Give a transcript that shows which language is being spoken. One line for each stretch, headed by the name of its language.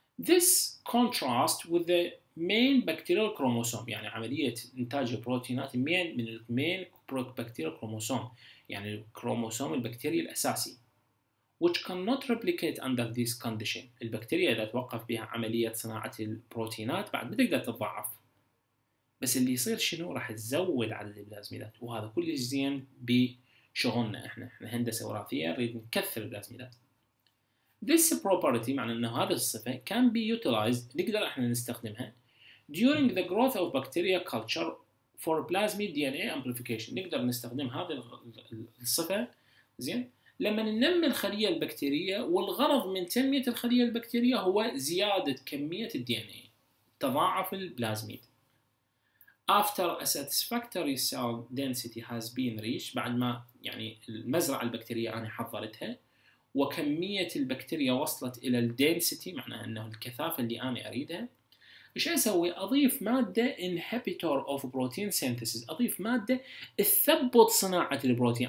English: This contrast with the main bacterial chromosome،
Arabic: يعني عملية إنتاج البروتينات من المين bacterial chromosome، يعني الكروموسوم البكتيري الأساسي،
English: which cannot replicate under this condition،
Arabic: البكتيريا إذا توقف بها عملية صناعة البروتينات بعد ما تقدر تتضاعف. بس اللي يصير شنو؟ راح تزود عدد البلازميدات، وهذا كلش زين بشغلنا احنا، احنا هندسه وراثيه نريد نكثر البلازميدات.
English: This property،
Arabic: معنى انه هذا الصفه
English: can be utilized،
Arabic: نقدر احنا نستخدمها
English: during the growth of bacteria culture for plasmid DNA amplification،
Arabic: نقدر نستخدم هذه الصفه زين لما ننمي الخلية البكتيرية، والغرض من تنمية الخلية البكتيرية هو زيادة كمية الـ DNA، تضاعف البلازميد.
English: After a satisfactory cell density has been reached،
Arabic: بعد ما يعني المزرعة البكتيرية أنا حضرتها وكمية البكتيريا وصلت إلى الـ density، معناها أنه الكثافة اللي أنا أريدها، إيش أسوي؟ أضيف مادة
English: inhibitor of protein synthesis،
Arabic: أضيف مادة تثبط صناعة البروتين.